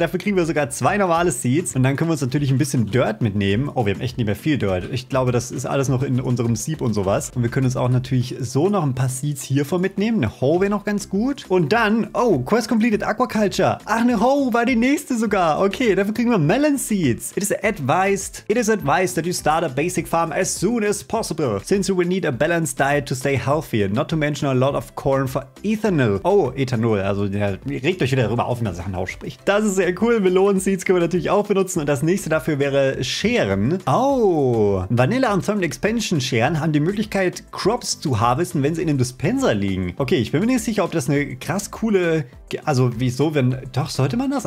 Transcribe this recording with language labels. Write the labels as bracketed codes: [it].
[de] Dafür kriegen wir sogar 2 normale Seeds. Und dann können wir uns natürlich ein bisschen Dirt mitnehmen. Oh, wir haben echt nicht mehr viel Dirt. Ich glaube, das ist alles noch in unserem Sieb und sowas. Und wir können uns auch natürlich so noch ein paar Seeds hiervon mitnehmen. Eine Hoe wäre noch ganz gut. Und dann, oh, Quest completed Aquaculture. Ach, eine Hoe war die nächste sogar. Okay, dafür kriegen wir Melon Seeds. [en] It is advised that you start a basic farm as soon as possible, since you will need a balanced diet to stay healthy, not to mention a lot of corn for Ethanol. [de] Oh, Ethanol, also ja, regt euch wieder darüber auf, wenn man Sachen ausspricht. Das ist sehr cool. Melonen-Seeds können wir natürlich auch benutzen und das nächste dafür wäre Scheren. Oh, Vanilla und Thermal Expansion Scheren haben die Möglichkeit, Crops zu harvesten, wenn sie in dem Dispenser liegen. Okay, ich bin mir nicht sicher, ob das eine krass coole... Also, wieso, wenn... Doch, sollte man das?